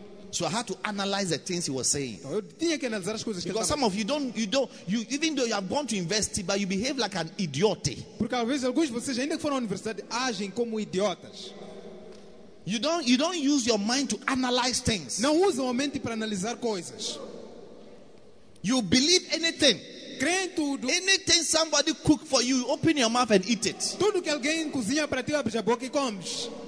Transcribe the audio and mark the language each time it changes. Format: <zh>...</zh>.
<en>So I had to analyze the things he was saying.</en> <pt>Então, eu tinha que analisar as coisas.</pt> <en>Because some of you even though you have gone to university, but you behave like an idiot.</en> <pt>Porque às vezes alguns de vocês ainda que foram à universidade agem como idiotas.</pt> <en>You don't use your mind to analyze things.</en> <pt>Não usam a mente para analisar coisas.</pt> <en>You believe anything.</en> <pt>Tudo.</pt> <en>Anything somebody cook for you, open your mouth and eat it.</en> <pt>Tudo que alguém cozinha para ti, abre a boca e comes.</pt>